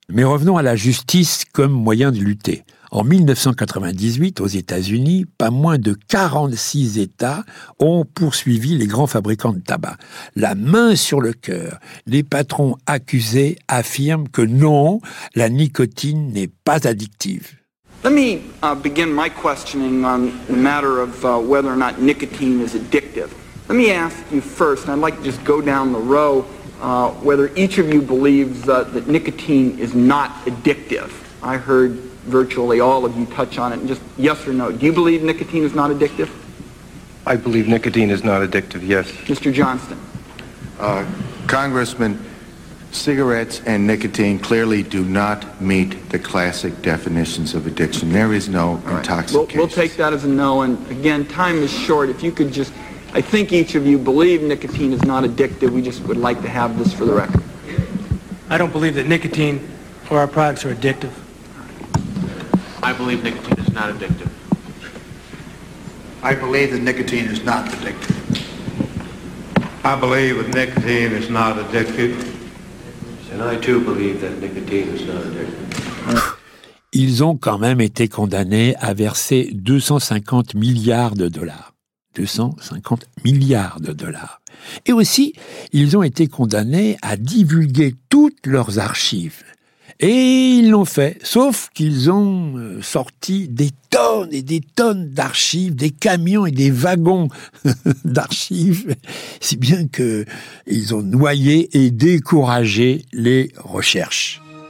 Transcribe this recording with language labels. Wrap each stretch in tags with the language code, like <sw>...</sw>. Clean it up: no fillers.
<fr>Mais revenons à la justice comme moyen de lutter. En 1998, aux États-Unis, pas moins de 46 États ont poursuivi les grands fabricants de tabac. La main sur le cœur, les patrons accusés affirment que non, la nicotine n'est pas addictive.</fr> <en>Let me begin my questioning on the matter of whether or not nicotine is addictive. Let me ask you first, and I'd like to just go down the row, whether each of you believes that nicotine is not addictive. I heard virtually all of you touch on it, and just yes or no. Do you believe nicotine is not addictive? I believe nicotine is not addictive, yes. Mr. Johnston. Congressman, cigarettes and nicotine clearly do not meet the classic definitions of addiction. There is no intoxication. We'll take that as a no, and again, time is short. If you could just... I think each of you believe nicotine is not addictive. We just would like to have this for the record. I don't believe that nicotine or our products are addictive. I believe nicotine is not addictive. I believe that nicotine is not addictive. I believe that nicotine is not addictive. And I too believe that nicotine is not addictive.</en> <fr>Ils ont quand même été condamnés à verser 250 milliards de dollars. 250 milliards de dollars. Et aussi, ils ont été condamnés à divulguer toutes leurs archives. Et ils l'ont fait, sauf qu'ils ont sorti des tonnes et des tonnes d'archives, des camions et des wagons d'archives, si bien qu'ils ont noyé et découragé les recherches.</fr>